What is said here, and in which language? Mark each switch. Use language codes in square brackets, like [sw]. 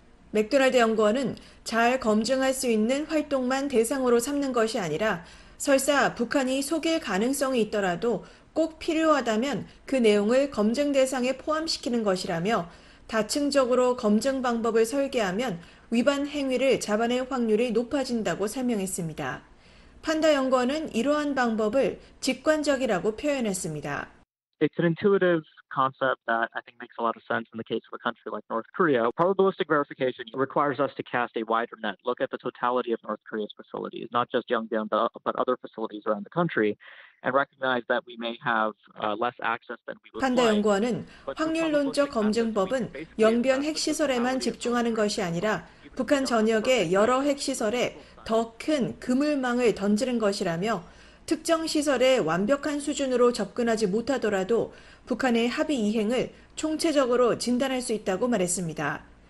[ko] 맥도날드 연구원은 잘 검증할 수 있는 활동만 대상으로 삼는 것이 아니라 설사 북한이 속일 가능성이 있더라도 꼭 필요하다면 그 내용을 검증 대상에 포함시키는 것이라며 다층적으로 검증 방법을 설계하면 위반 행위를 잡아낼 확률이 높아진다고 설명했습니다. 판다 연구원은 이러한 방법을 직관적이라고 표현했습니다. [en] It's an intuitive concept that I think makes a lot of sense in the case of a country like North Korea. Probabilistic verification requires us to cast a wider net, look at the totality of North Korea's facilities, not just Yongbyon, but other facilities around the country, and recognize that we may have less access than we would like. [ko] 판다 연구원은 확률론적 검증법은 영변 핵시설에만 집중하는 것이 아니라 북한 전역의 여러 핵시설에 더 큰 그물망을 던지는 것이라며 특정 시설에 완벽한 수준으로 접근하지 못하더라도 북한의 합의 이행을 총체적으로 진단할 수 있다고 말했습니다.